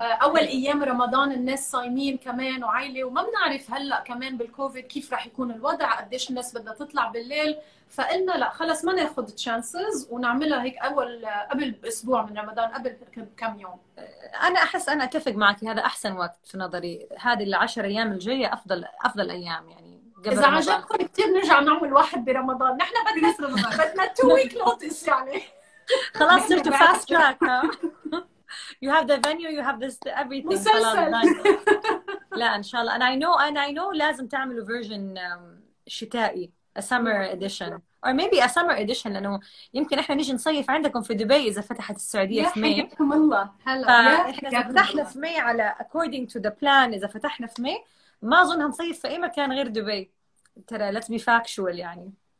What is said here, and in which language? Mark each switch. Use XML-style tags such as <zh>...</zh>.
<ar>أول أيام رمضان الناس صايمين كمان وعائلة وما بنعرف هلأ كمان بالكوفيد كيف راح يكون الوضع قديش الناس بدها تطلع بالليل فقلنا لا خلص ما ناخد تشانسز ونعملها هيك أول قبل أسبوع من رمضان قبل كم يوم أنا أحس أنا أتفق معك هذا أحسن وقت في نظري هذه العشر أيام الجاية أفضل أيام يعني إذا عجبكم كتير نرجع نعمل واحد برمضان نحن بدنا رمضان بدنا</ar> <en>two week notice</en> <ar>يعني خلاص صرتوا</ar> <en>fast track you have the venue you have this everything</en> <ar>مسلسل لا إن شاء الله</ar> <en>and I know</en> <ar>لازم تعملوا version شتائي</ar> <en>a summer edition or maybe a summer edition</en> <ar>لأنه يمكن إحنا نيجي نصيف عندكم في دبي إذا فتحت السعودية في ماي يا حياتكم الله هلا فإحنا فتحنا في ماي على</ar> <en>according to the plan</en> <ar>إذا فتحنا في ماي ما أظن هنصيف في أي مكان غير دبي ترى</ar> <en>let's be factual</en> <ar>يعني</ar>